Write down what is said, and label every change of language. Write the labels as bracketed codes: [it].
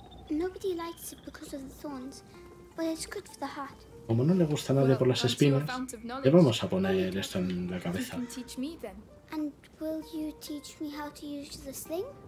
[en] Nobody likes it because of the thorns, but it's good for the heart. [es] Como no le gusta nadie por las espinas, le vamos a poner esto en la cabeza. [en] You can teach me then. And will you teach me how to use this thing?